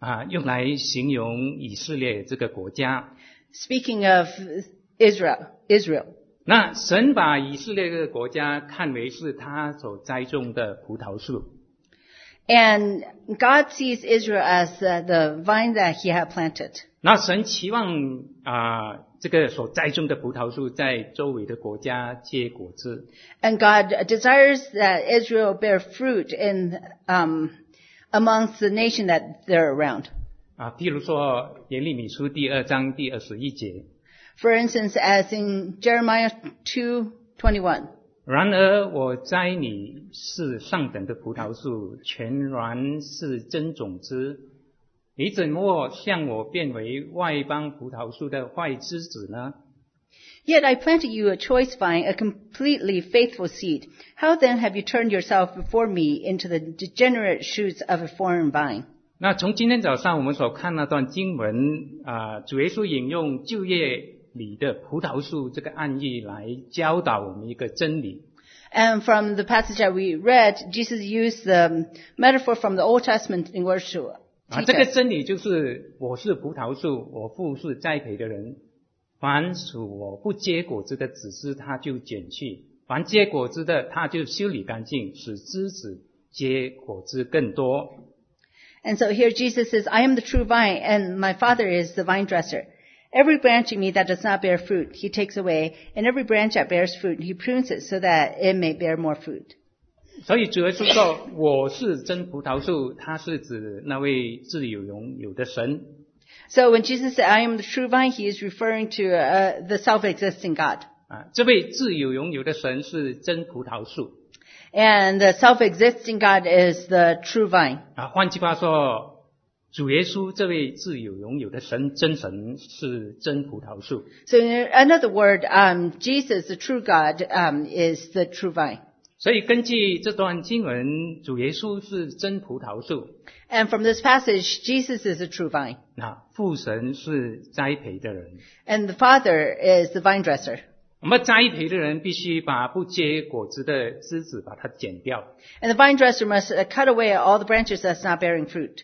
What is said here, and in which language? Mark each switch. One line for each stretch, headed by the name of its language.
Chinese: 用来形容以色列这个国家。
English: Speaking of Israel.
Chinese: 那神把以色列的国家看为是他所栽种的葡萄树。
English: And God sees Israel as the vine that he had planted.
Chinese: 那神期望这个所栽种的葡萄树在周围的国家结果子。
English: And God desires that Israel bear fruit in amongst the nation that they're around.
Chinese: 譬如说耶利米书第二章第二十一节。
English: For instance, as in Jeremiah 2:21.
Chinese: 然而我栽你是上等的葡萄树，全然是真种子，你怎么向我变为外邦葡萄树的坏枝子呢？
English: Yet I planted you a choice vine, a completely faithful seed. How then have you turned yourself before me into the degenerate shoots of a foreign vine?
Chinese: 那从今天早上我们所看那段经文、主耶稣引用旧约里的葡萄树这个案例来教导我们一个真理。
English: And from the passage that we read, Jesus used the metaphor from the Old Testament in order to teach us.
Chinese: 这个真理就是我是葡萄树，我父是栽培的人，凡属我不结果子的枝子他就剪去，凡结果子的他就修理干净，使枝子结果子更多。
English: And so here Jesus says, I am the true vine, and my Father is the vine dresser. Every branch in me that does not bear fruit, he takes away, and every branch that bears fruit, he prunes it so that it may bear more fruit.
Chinese: 所以主耶稣说，我是真葡萄树，他是指那位自有永有的神。
English: So when Jesus said, I am the true vine, he is referring to the self-existing God.
Chinese: 这位自有永有的神是真葡萄树。
English: And the self-existing God is the true vine.
Chinese: 换句话说，主耶稣这位自有永有的神，真神是真葡萄树。
English: So in another word, Jesus, the true God, is the true vine.
Chinese: 所以根据这段经文，主耶稣是真葡萄树。
English: And from this passage, Jesus is the true vine.
Chinese: 那父神是栽培的人。
English: And the Father is the vine dresser.
Chinese: 我们栽培的人必须把不结果子的枝子把它剪掉。
English: And the vine dresser must cut away all the branches that's not bearing fruit.